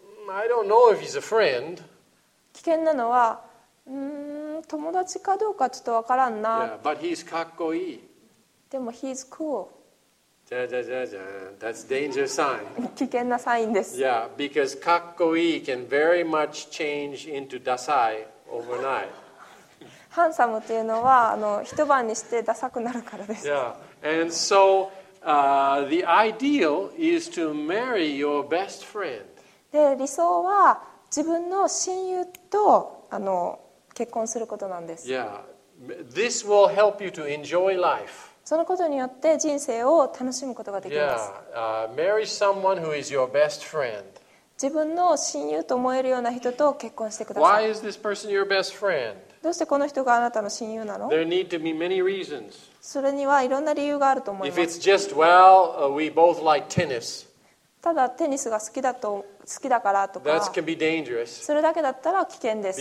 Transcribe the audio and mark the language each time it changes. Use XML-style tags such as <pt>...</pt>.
<en>I don't know if he's a friend.</en> <ja>危険なのは、友達かどうかちょっとわからんな。</ja> <en>Yeah, but he's</en> <ja>かっこいい。でも</ja> <en>he's cool. じゃじゃじゃ That's danger sign.</en> <ja>危険なサインです。</ja> <en>Yeah, because</en> <ja>かっこいい</ja> <en>can very much change into</en> <ja>ダサい</ja> <en>overnight.</en> <ja>ハンサムというのは一晩にしてダサくなるからです。</ja> <en>Yeah, and so the ideal is to marry your best friend.</en> <ja>で理想は自分の親友と結婚することなんです。</ja> <en>Yeah. This will help you to enjoy life.</en> <ja>そのことによって人生を楽しむことができます。</ja> <en>Yeah, marry someone who is your best friend.</en> <ja>自分の親友と思えるような人と結婚してください。</ja> <en>Why is this person your best friend?</en> <ja>どうしてこの人があなたの親友なの?</ja> <en>There need to be many reasons.</en> <ja>それにはいろんな理由があると思います。</ja> <en>If it's just, well, we both like tennis.</en> <ja>ただテニスが好きだからとか、</ja> <en>That can be dangerous.</en> <ja>それだけだったら危険です。</ja>